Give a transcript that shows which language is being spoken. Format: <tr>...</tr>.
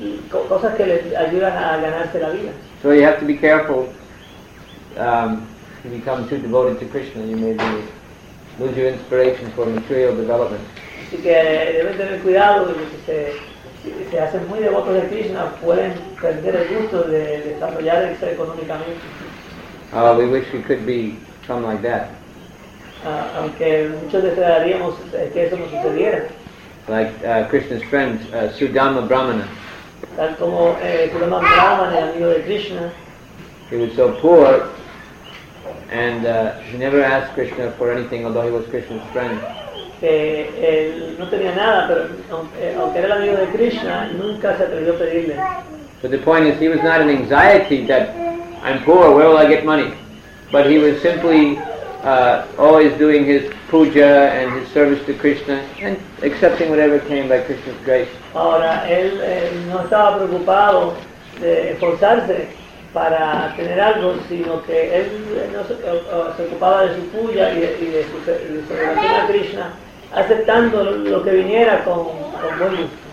<es>Cosas que le ayudan a ganarse la vida.</es> <en>So you have to be careful. If you become too devoted to Krishna, you may lose your inspiration for material development.</en> <es>Así que deben tener cuidado de que se hacen muy devotos de Krishna, pueden perder el gusto de desarrollarse económicamente.</es> <en>We wish we could be something like that.</en> <es>Aunque muchos desearíamos que eso no sucediera.</es> <en>Like Krishna's friend, Sudama Brahmana.</en> <es>Tal como Sudama Brahmana, el amigo de Krishna.</es> <en>He was so poor, and he never asked Krishna for anything, although he was Krishna's friend.</en> <es>Que él no tenía nada, pero aunque era el amigo de Krishna, nunca se atrevió a pedirle.</es> <en>But the point is, he was not in anxiety that I'm poor, where will I get money? But he was simply always doing his puja and his service to Krishna and accepting whatever came by Krishna's grace.</en> <es>Ahora, él no estaba preocupado de esforzarse para tener algo, sino que él se ocupaba de su puya y de su relación a Krishna, aceptando lo que viniera con buen gusto.</es>